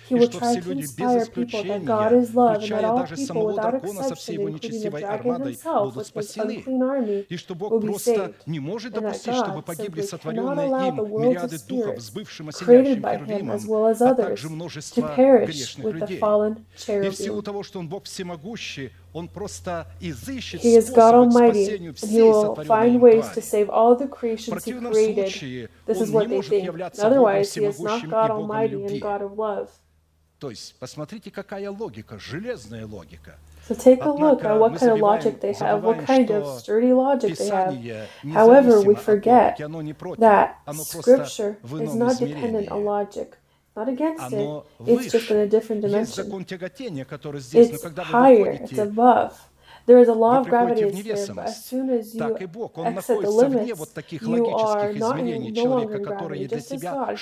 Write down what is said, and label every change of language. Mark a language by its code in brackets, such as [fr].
[en] He will try to inspire people that God is love and that all people, without exception, including the dragon himself with his unclean army, will be saved, and that God simply cannot allow the world of spirits created by him as well as others to perish with the fallen cherubim. He is God Almighty, and he will find ways to save all the creations he created. This is what they think. Otherwise, he is not God Almighty and God of love. [ru] То есть, посмотрите, какая логика, железная логика. [en] So take a look at what kind of logic they have, what kind of sturdy logic they have. However, we forget that Scripture is not dependent on logic, not against it, it's just in a different dimension. It's higher, it's above. There is a law of gravity in spirit, but as soon as you exit the limits, you are not no longer in gravity, just as God.